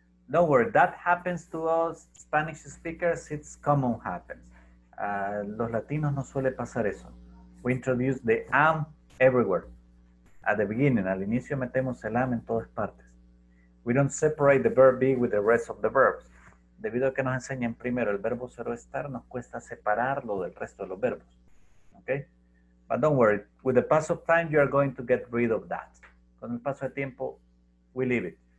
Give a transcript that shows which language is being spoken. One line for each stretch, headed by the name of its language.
English: Don't worry, that happens to us Spanish speakers. It's common happens.
Spanish: Los latinos no suele pasar eso.
English: We introduce the am everywhere. At the beginning,
Spanish: al inicio metemos el am en todas partes.
English: We don't separate the verb be with the rest of the verbs.
Spanish: Debido a que nos enseñan primero el verbo ser o estar, nos cuesta separarlo del resto de los verbos.
English: Okay? But don't worry, with the pass of time, you are going to get rid of that.
Spanish: Con el paso de tiempo,
English: we leave it.